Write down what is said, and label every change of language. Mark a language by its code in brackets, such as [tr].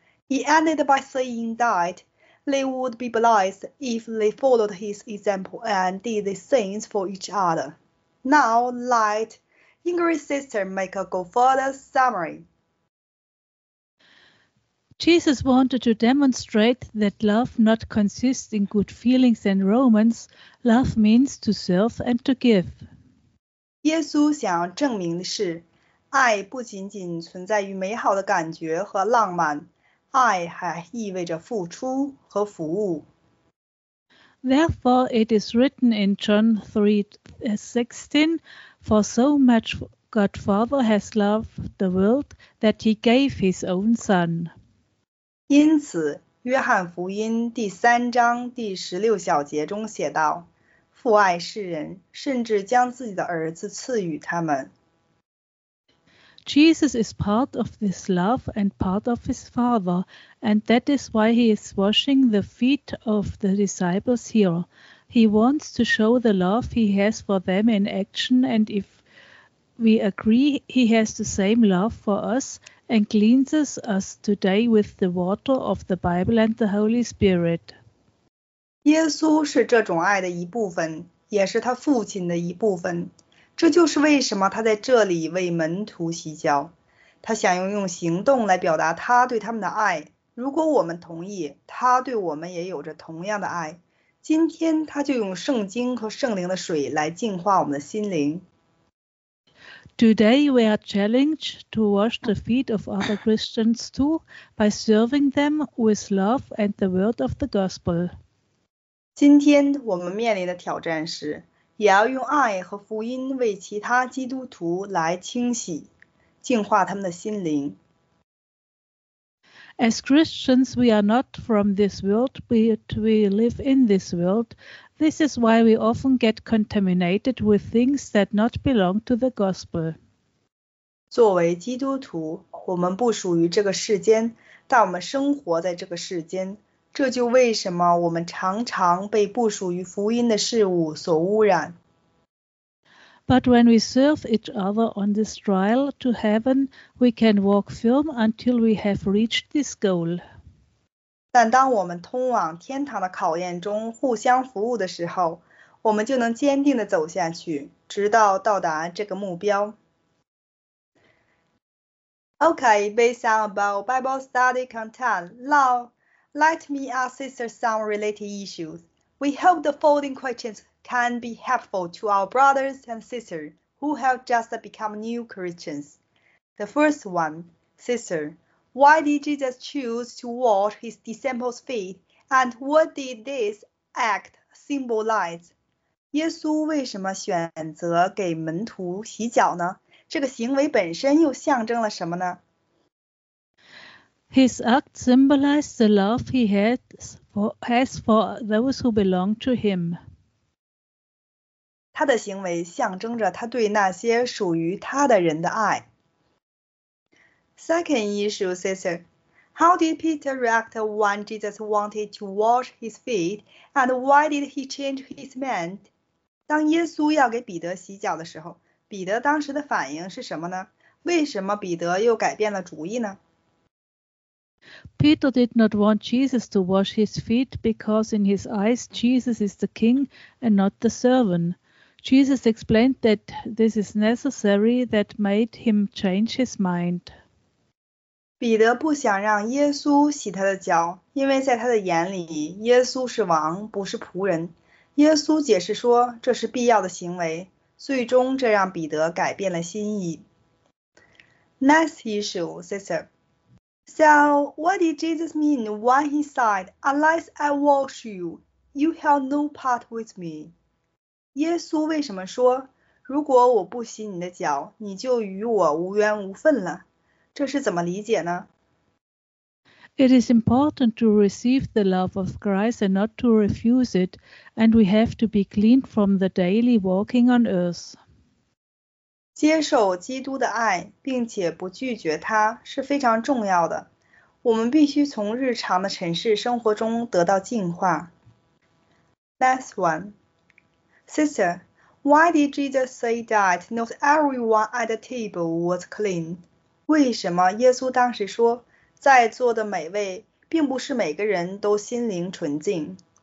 [en] He ended by saying that they would be blessed if they followed his example and did the things for each other. Now, let Ingrid's sister make a go further summary. Jesus wanted to demonstrate that love not consists in good feelings and romance. Love means to serve and to give. [zh] 耶稣想要证明的是，爱不仅仅存在于美好的感觉和浪漫，爱还意味着付出和服务。 [en] Therefore, it is written in John 3:16, "For so much God Father has loved the world that He gave His own Son." [zh] 因此，约翰福音第三章第十六小节中写道，父爱世人，甚至将自己的儿子赐予他们。 [en] Jesus is part of this love and part of his Father, and that is why he is washing the feet of the disciples here. He wants to show the love he has for them in action, and if we agree, he has the same love for us and cleanses us today with the water of the Bible and the Holy Spirit. [zh] 耶稣是这种爱的一部分，也是他父亲的一部分。这就是为什么他在这里为门徒洗脚，他想要用行动来表达他对他们的爱。如果我们同意，他对我们也有着同样的爱。今天，他就用圣经和圣灵的水来净化我们的心灵。 [en] Today we are challenged to wash the feet of other Christians too by serving them with love and the word of the gospel. [zh] 今天我们面临的挑战是，也要用爱和福音为其他基督徒来清洗、净化他们的心灵。 [en] As Christians, we are not from this world, but we live in this world. This is why we often get contaminated with things that not belong to the gospel. [zh] 作为基督徒，我们不属于这个世间，但我们生活在这个世间。这就为什么我们常常被不属于福音的事物所污染。 [en] But when we serve each other on this trial to heaven, we can walk firm until we have reached this goal. [zh] 但当我们通往天堂的考验中互相服务的时候，我们就能坚定地走下去，直到到达这个目标。 [en] Okay, based on about Bible study content, now let me ask sisters some related issues. We hope the following questions can be helpful to our brothers and sisters who have just become new Christians. The first one, sister, why did Jesus choose to wash his disciples' feet, and what did this act symbolize? [zh] 耶稣为什么选择给门徒洗脚呢？这个行为本身又象征了什么呢？ [en] His act symbolized the love he has for those who belong to him. [zh] 他的行为象征着他对那些属于他的人的爱。 [en] Second issue, sister. How did Peter react when Jesus wanted to wash his feet, and why did he change his mind? [zh] 当耶稣要给彼得洗脚的时候，彼得当时的反应是什么呢？为什么彼得又改变了主意呢？ [en] Peter did not want Jesus to wash his feet because in his eyes Jesus is the king and not the servant. Jesus explained that this is necessary that made him change his mind. [zh] 彼得不想让耶稣洗他的脚，因为在他的眼里，耶稣是王，不是仆人。耶稣解释说，这是必要的行为，最终这让彼得改变了心意。 [en] Next issue, sister. So, what did Jesus mean when he said, "Unless I wash you, you have no part with me"? [zh] 耶稣为什么说，如果我不洗你的脚，你就与我无缘无分了？这是怎么理解呢？ [en] It is important to receive the love of Christ and not to refuse it, and we have to be cleaned from the daily walking on earth. [zh] 接受基督的爱，并且不拒绝它，是非常重要的。我们必须从日常的尘世生活中得到净化。 [en] Last one. Sister, why did Jesus say that not everyone at the table was clean? [zh] 为什么耶稣当时说，在座的每位，并不是每个人都心灵纯净。